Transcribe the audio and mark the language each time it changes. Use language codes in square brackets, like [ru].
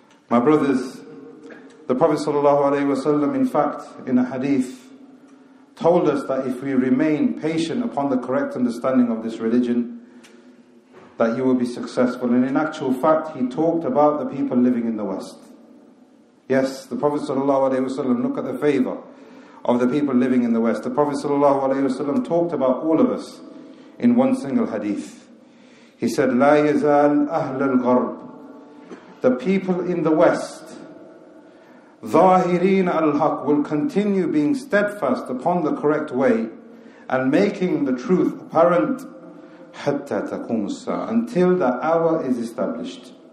[en] My brothers, the Prophet ﷺ, in fact, in a hadith, told us that if we remain patient upon the correct understanding of this religion, that you will be successful. And in actual fact, he talked about the people living in the West. Yes, the Prophet ﷺ, look at the favor of the people living in the West. The Prophet ﷺ talked about all of us in one single hadith. [ar] He said, لا يزال أهل الغرب. [en] The people in the West, [ar] ظاهرين الحق, [en] will continue being steadfast upon the correct way and making the truth apparent [ar] حتى تقوم الساعة, [en] until the hour is established.